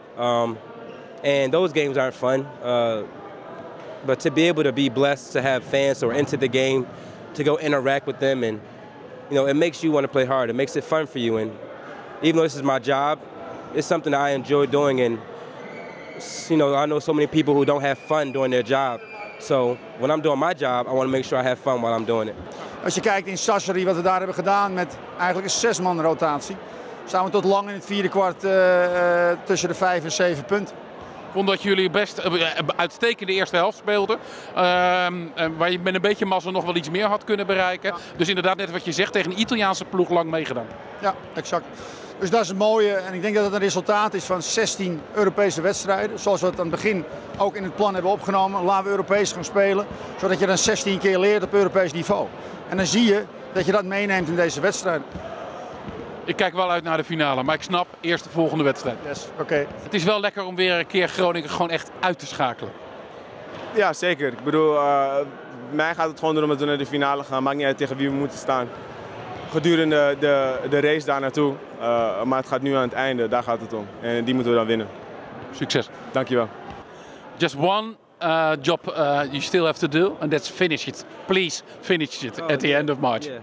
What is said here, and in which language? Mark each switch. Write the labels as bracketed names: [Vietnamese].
[English] And those games aren't fun. But to be able to be blessed to have fans who are into the game, to go interact with them, and, you know, it makes you want to play hard. It makes it fun for you. And even though this is my job, it's something I enjoy doing. And, you know, I know so many people who don't have fun doing their job. So when I'm doing my job, I want to make sure I have fun while I'm doing it. [Dutch] Als je kijkt in Sassari wat we daar hebben gedaan met eigenlijk een 6-man rotatie, staan we tot lang in het vierde kwart tussen de 5 en 7 punten. Ik vond dat jullie best uitstekende eerste helft speelden. Waar je met een beetje mazzel nog wel iets meer had kunnen bereiken. Ja. Dus inderdaad, net wat je zegt, tegen een Italiaanse ploeg lang meegedaan. Ja, exact. Dus dat is het mooie. En ik denk dat het een resultaat is van 16 Europese wedstrijden. Zoals we het aan het begin ook in het plan hebben opgenomen. Laten we Europees gaan spelen. Zodat je dan 16 keer leert op Europees niveau. En dan zie je dat je dat meeneemt in deze wedstrijden. Ik kijk wel uit naar de finale, maar ik snap eerst de volgende wedstrijd. [English] Yes, oké. Okay. [Dutch] Het is wel lekker om weer een keer Groningen gewoon echt uit te schakelen. Ja, zeker. Ik bedoel, mij gaat het gewoon erom dat we naar de finale gaan. Maakt niet uit tegen wie we moeten staan. Gedurende de race daar naartoe. Maar het gaat nu aan het einde, daar gaat het om. En die moeten we dan winnen. Succes. Dankjewel. [English] Just one job you still have to do, and that's finish it. Please finish it at the end of March.